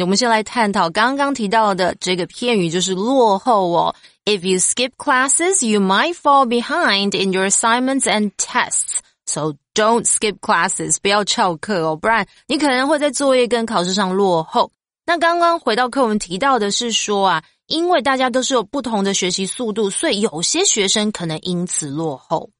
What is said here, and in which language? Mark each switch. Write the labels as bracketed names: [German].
[Chinese] 我们先来探讨刚刚提到的这个片语就是落后哦。 [English] If you skip classes, you might fall behind in your assignments and tests. So don't skip classes. [Chinese] 不要翘课哦。不然你可能会在作业跟考试上落后。那刚刚回到课文提到的是说啊，因为大家都是有不同的学习速度，所以有些学生可能因此落后。